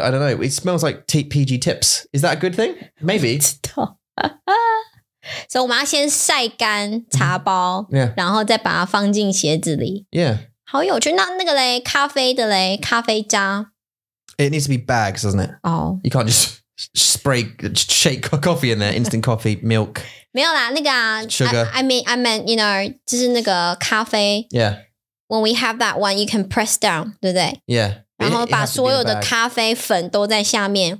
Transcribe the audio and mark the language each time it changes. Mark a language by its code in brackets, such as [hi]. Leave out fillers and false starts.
[en] I don't know. It smells like PG tips. Is that a good thing? Maybe. [zh] 不知道。所以我们要先晒干茶包、 [en] yeah. [zh] 然后再把它放进鞋子里。 [en] Yeah. [zh] 好有趣。那个咧咖啡的咧咖啡渣。 [en] It needs to be bags, doesn't it? Oh. You can't just spray, shake coffee in there, instant coffee, milk. [zh] 没有啦那个啊。 [en] Sugar. I meant, you know, [zh] 就是那个咖啡。 [en] Yeah. When we have that one, you can press down, [zh] 对不对 [en] Yeah. [zh] 然后把所有的咖啡粉都在下面。